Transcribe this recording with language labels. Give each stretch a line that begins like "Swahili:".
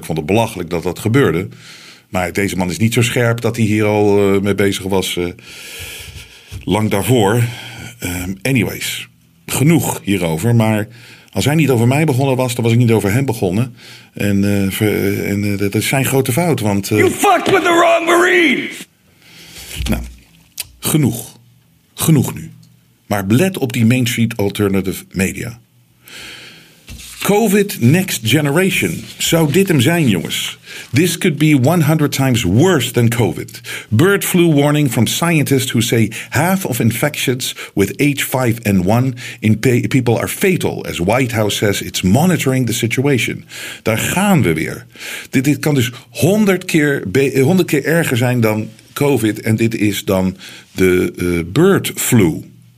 Dutch: Ik vond het belachelijk dat dat gebeurde. Maar deze man is niet zo scherp dat hij hier al mee bezig was. Lang daarvoor. Anyways, genoeg hierover. Maar als hij niet over mij begonnen was, dan was ik niet over hem begonnen. En dat is zijn grote fout, want
English: you fucked with the wrong marine!
Dutch: Nou, genoeg. Genoeg nu. Maar let op die mainstream alternative media.
English: COVID next generation.
Dutch: Zou dit hem zijn, jongens?
English: This could be 100 times worse than COVID. Bird flu warning from scientists who say half of infections with H5N1 in people are fatal, as White House says it's monitoring the situation.
Dutch: Daar gaan we weer. Dit kan dus 100 keer erger zijn dan COVID en dit is dan de bird flu.